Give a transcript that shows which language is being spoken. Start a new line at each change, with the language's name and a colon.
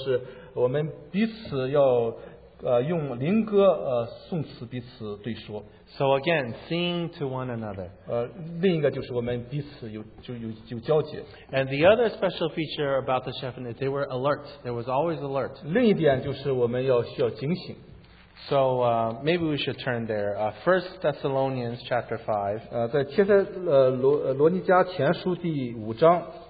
Chinese: 在以弗所书第五章十九节说是我们彼此要 用灵歌颂词彼此对说。
English: So again, sing to one another.
Chinese: 另一个就是我们彼此有交结。
English: And the other special feature about the shepherd is they were alert. There was always alert.
Chinese: 另一点就是我们要需要警醒。
English: So maybe we should turn there. 1 Thessalonians 5.
Chinese: 在帖撒罗尼迦前书第五章。